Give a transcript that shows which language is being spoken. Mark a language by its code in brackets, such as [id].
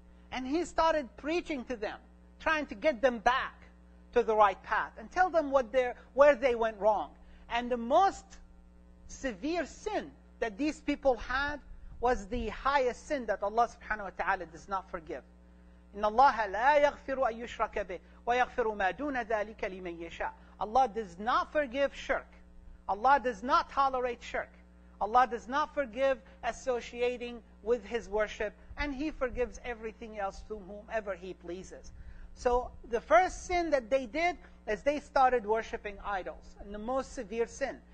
[en] And he started preaching to them, trying to get them back to the right path and tell them where they went wrong. And the most severe sin that these people had was the highest sin that Allah subhanahu wa ta'ala does not forgive. [ar] إن الله لا يغفر أن يشرك به ويغفر ما دون ذلك لمن يشاء. [en] Allah does not forgive shirk. Allah does not tolerate shirk. Allah does not forgive associating with His worship, and He forgives everything else to whomever He pleases. So the first sin that they did is they started worshiping idols, and the most severe sin.